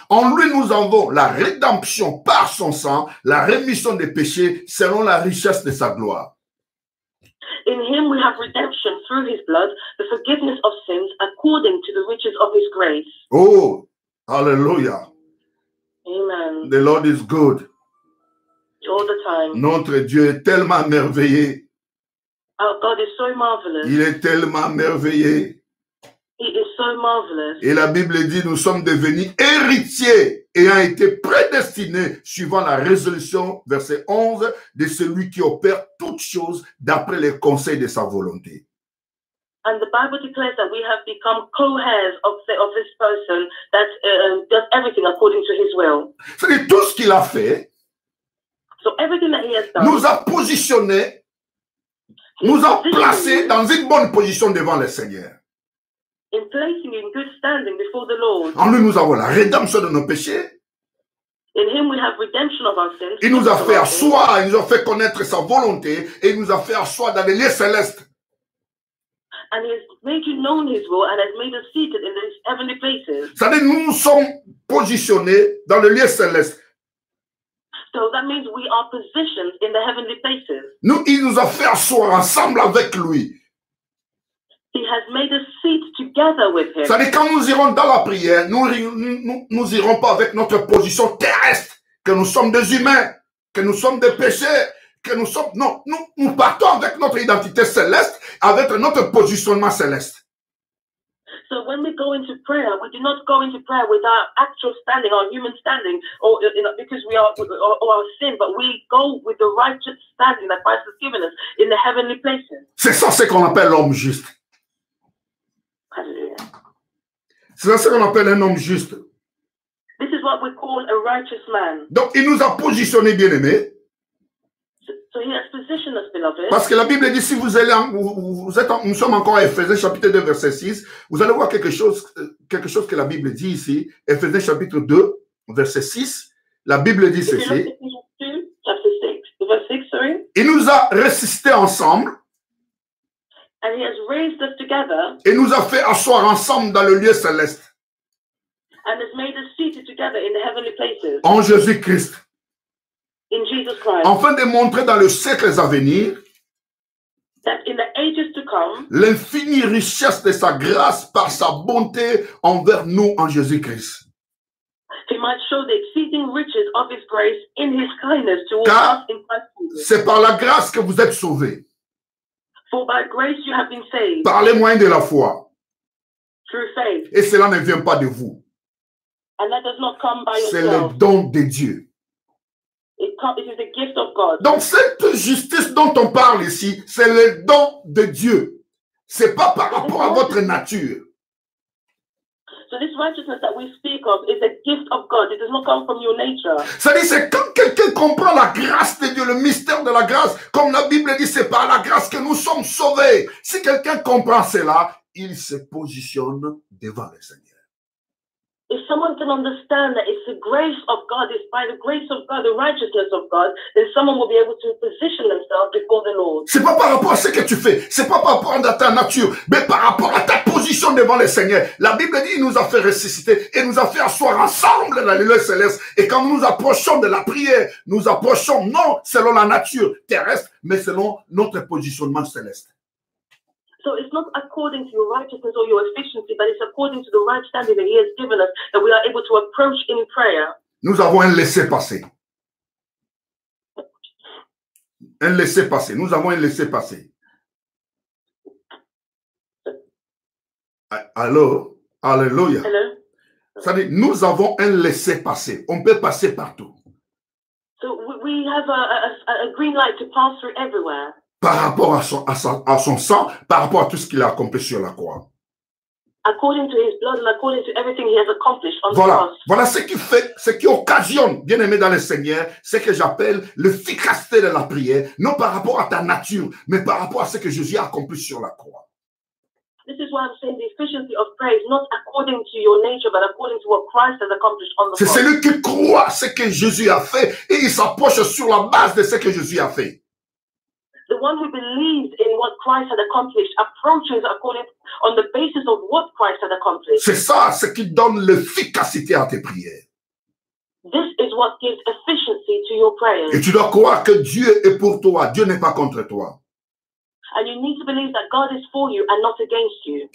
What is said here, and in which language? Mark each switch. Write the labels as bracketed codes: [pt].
[fr] En lui nous avons la rédemption par son sang, la rémission des péchés selon la richesse de sa gloire. [en] In him we have redemption through his blood, the forgiveness of sins according to the riches of his grace. Oh, hallelujah. Amen. The Lord is good. All the time. [fr] Notre Dieu est tellement merveilleux. [en] Our God is so marvelous. [fr] Il est tellement merveilleux. [en] He is so marvelous. [fr] Et la Bible dit, nous sommes devenus héritiers et ont été prédestinés suivant la résolution, verset 11, de celui qui opère toutes choses d'après les conseils de sa volonté. [en] And the Bible declares that we have become co-heirs of this person that does everything according to his will. [fr] C'est tout ce qu'il a fait. [en] So everything that he has done. [fr] Nous a positionnés, nous a placés dans une bonne position devant le Seigneur. [en] In placing in good standing before the Lord. [fr] En lui, nous avons la rédemption de nos péchés. [en] In him we have redemption of our sins. [fr] Il nous a fait asseoir, il nous a fait connaître sa volonté et il nous a fait asseoir dans les lieux célestes. [en] And he has made you known his will and has made us seated in his heavenly places. [fr] Ça veut dire nous sommes positionnés dans les lieux célestes. [en] So that means we are positioned in the heavenly places. [fr] Nous, il nous a fait asseoir ensemble avec lui. [en] He has made us seat together with him. [fr] Ça veut dire quand nous irons dans la prière, nous irons pas avec notre position terrestre, que nous sommes des humains, que nous sommes des péchés, que nous sommes... Non, nous partons avec notre identité céleste, avec notre positionnement céleste. [en] So when we go into prayer, we do not go into prayer with our actual standing, our human standing, or you know, because we are or our sin, but we go with the righteous standing that Christ has given us in the heavenly places. [fr] C'est ça ce qu'on appelle l'homme juste. C'est ce qu'on appelle un homme juste. [en] This is what we call a righteous man. [fr] Donc, il nous a positionné, bien-aimés. [en] So he has positioned us, beloved. [fr] Parce que la Bible dit, si vous allez, nous sommes encore à Éphésiens, chapitre 2, verset 6, vous allez voir quelque chose que la Bible dit ici. Éphésiens, chapitre 2, verset 6, la Bible dit ceci. Chapitre 2, verset 6, [en] sorry. [fr] Il nous a résisté ensemble. [en] And he has raised us together. [fr] Et nous a fait asseoir ensemble dans le lieu céleste. [en] And has made us seated together in the heavenly places. [fr] En Jésus-Christ. [en] In Jesus Christ. [fr] Afin de montrer dans les siècles à venir. [en] That in the ages to come. [fr] L'infinie richesse de sa grâce par sa bonté envers nous en Jésus-Christ. [en] He might show the exceeding riches of his grace in his kindness towards us in Christ Jesus. [fr] C'est par la grâce que vous êtes sauvés. [en] For by grace you have been saved. [fr] Par les moyens de la foi. [en] Through faith. [fr] Et cela ne vient pas de vous. [en] And that does not come by [fr] c'est [en] yourself. [fr] Le don de Dieu. [en] It is the gift of God. [fr] Donc cette justice dont on parle ici, c'est le don de Dieu. Ce n'est pas par rapport à votre nature. [en] So this righteousness that we speak of is a gift of God. It does not come from your nature. [fr] C'est-à-dire, c'est quand quelqu'un comprend la grâce de Dieu, le mystère de la grâce, comme la Bible dit, c'est par la grâce que nous sommes sauvés. Si quelqu'un comprend cela, il se positionne devant le Seigneur. [en] If someone can understand that it's the grace of God, it's by the grace of God, the righteousness of God, then someone will be able to position themselves before the Lord. [fr] C'est pas par rapport à ce que tu fais, c'est pas par rapport à ta nature, mais par rapport à ta position devant le Seigneur. La Bible dit, il nous a fait ressusciter et nous a fait asseoir ensemble dans les lieux célestes. Et quand nous approchons de la prière, nous approchons non selon la nature terrestre, mais selon notre positionnement céleste. [en] So it's not according to your righteousness or your efficiency, but it's according to the right standing that he has given us that we are able to approach in prayer. [fr] Nous avons un laissez-passer. Un laissez-passer. Nous avons un laissez-passer. Allô? Alléluia. [en] Hello. [fr] Ça dit, nous avons un laissez-passer. On peut passer partout. [en] So we have a green light to pass through everywhere. [fr] Par rapport à son sang, par rapport à tout ce qu'il a accompli sur la croix. [en] According to his blood and according to everything he has accomplished on [fr] voilà. [en] The cross. [fr] Voilà ce qui fait, ce qui occasionne, bien aimé dans le Seigneur, ce que j'appelle l'efficacité de la prière, non par rapport à ta nature, mais par rapport à ce que Jésus a accompli sur la croix. [en] This is why I'm saying the efficiency of prayer is not according to your nature, but according to what Christ has accomplished on the [fr] c'est [en] cross. [fr] C'est celui qui croit ce que Jésus a fait et il s'approche sur la base de ce que Jésus a fait. [en] The one who believes in what Christ had accomplished approaches according on the basis of what Christ had accomplished. [fr] C'est ça, ce qui donne l'efficacité à tes prières. [en] This is what gives efficiency to your prayers. [fr] Et tu dois croire que Dieu est pour toi. Dieu n'est pas contre toi. [en] And you need to believe that God is for you and not against you.